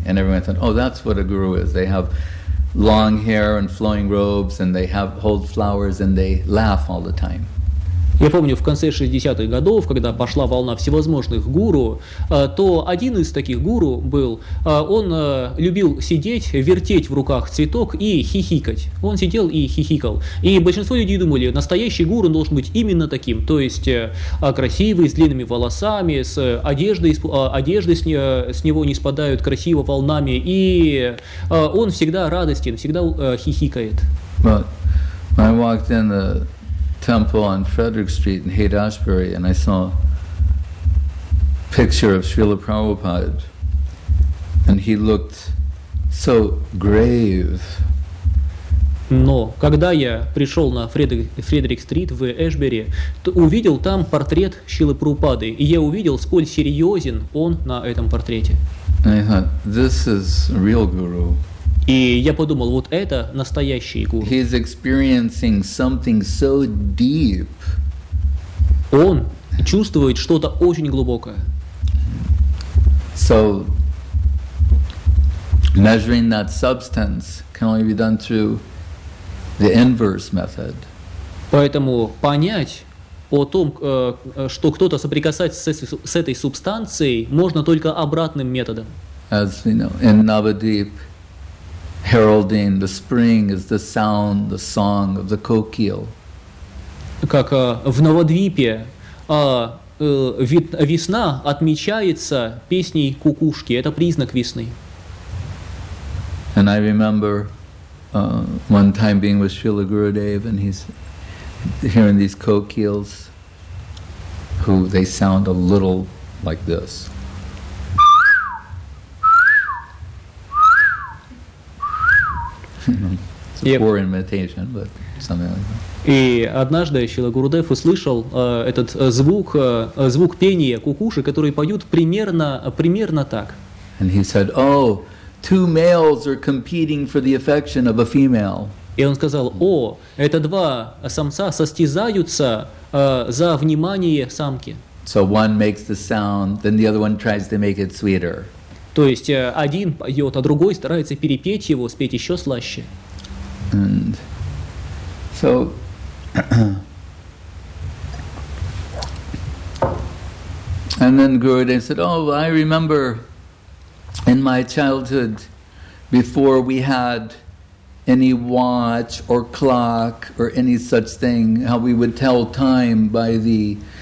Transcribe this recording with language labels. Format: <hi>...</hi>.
<en>And everyone thought, oh, that's what a guru is. They have long hair and flowing robes, and they hold flowers, and they laugh all the time.</en> <ru>Я помню, в конце 60-х годов, когда пошла волна всевозможных гуру, то один из таких гуру был, он любил сидеть, вертеть в руках цветок и хихикать. Он сидел и хихикал. И большинство людей думали, настоящий гуру должен быть именно таким, то есть красивый, с длинными волосами, с одеждой с него не спадают красиво волнами, и он всегда радостен, всегда хихикает.</ru> <en>I walked in the temple on Frederick Street in Haight-Ashbury, and I saw a picture of Srila Prabhupada, and he looked so grave.</en> <ru>Но когда я пришел на Фредерик-стрит в Эшбери, то увидел там портрет Шрилы Прабхупады, и я увидел, сколь серьезен он на этом портрете.</ru> <en>And I thought, this is real guru.</en> <ru>И я подумал, вот это настоящий гуру.</ru> <en>He's experiencing something so deep.</en> <ru>Он чувствует что-то очень глубокое.</ru> <en>So measuring that substance can only be done through the inverse method.</en> <ru>Поэтому понять о том, что кто-то соприкасается с этой субстанцией, можно только обратным методом.</ru> <en>As we know, in Navadvip, heralding the spring is the sound, the song of the kokil.</en> <ru>Как в Новодвипе весна отмечается песней кукушки. Это признак весны.</ru> <en>And I remember one time being with Srila Gurudev, and he's hearing these kokils, who they sound a little like this. It's a poor imitation, but something like that.</en> <ru>И однажды Шрила Гурудев услышал этот звук пения кукушек, которые поют примерно так.</ru> <en>And he said, "Oh, two males are competing for the affection of a female."</en> <ru>И он сказал: "О, это два самца состязаются за внимание самки."</ru> <en>So one makes the sound, then the other one tries to make it sweeter.</en> <ru>То есть один поет, а другой старается перепеть его, спеть еще слаще.</ru> <en>And so and then Gurudev said, "Oh, I remember in my childhood, before we had any watch or clock or any such thing, how we would tell time by the</en>